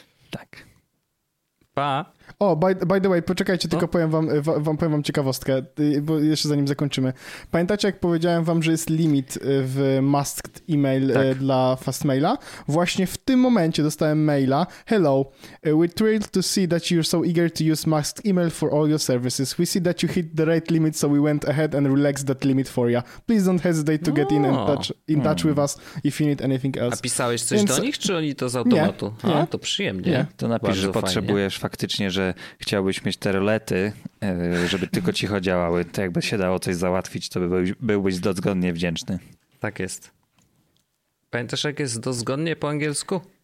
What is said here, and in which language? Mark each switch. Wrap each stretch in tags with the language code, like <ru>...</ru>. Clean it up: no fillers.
<pl>Tak. Pa. O,</pl> <en>by the way,</en> <pl>poczekajcie, to? Tylko powiem wam ciekawostkę, bo jeszcze zanim zakończymy. Pamiętacie, jak powiedziałem wam, że jest limit w masked email tak. Dla Fastmaila? Właśnie w tym momencie dostałem maila.</pl> <en>Hello, we're thrilled to see that you're so eager to use masked email for all your services. We see that you hit the right limit, so we went ahead and relaxed that limit for you. Please don't hesitate to get in touch with us if you need anything else.</en> <pl>A pisałeś coś do nich, czy oni to z automatu? Nie. A, to przyjemnie. Nie. To napisz, bardzo że fajnie. Potrzebujesz faktycznie, że chciałbyś mieć te rolety, żeby tylko cicho działały. To jakby się dało coś załatwić, to byłbyś dozgonnie wdzięczny. Tak jest. Pamiętasz, jak jest dozgonnie po angielsku?</pl>